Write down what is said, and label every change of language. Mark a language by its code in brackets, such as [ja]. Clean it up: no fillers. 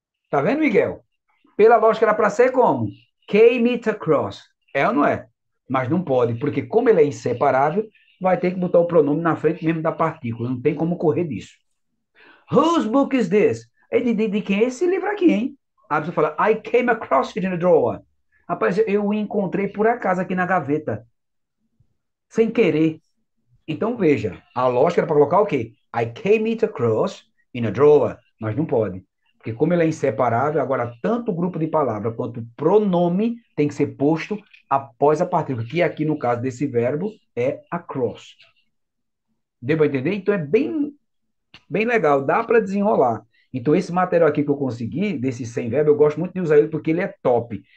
[pt] Tá vendo, Miguel? Pela lógica era para ser como? [en] Came it across. [pt] É ou não é? Mas não pode, porque como ele é inseparável, vai ter que botar o pronome na frente mesmo da partícula. Não tem como correr disso. [en] Whose book is this? [pt] É de quem é esse livro aqui, hein? A pessoa fala, [en] I came across it in the drawer. [pt] Rapaz, eu o encontrei por acaso aqui na gaveta. Sem querer. Então veja, a lógica era para colocar o quê? [en] I came it across in a drawer. [pt] Mas não pode. Porque como ele é inseparável, agora tanto o grupo de palavra quanto o pronome tem que ser posto após a partícula. Que aqui no caso desse verbo é across. Deu para entender? Então é bem, bem legal. Dá para desenrolar. Então, esse material aqui que eu consegui, desse 100 verbos, eu gosto muito de usar ele porque ele é top.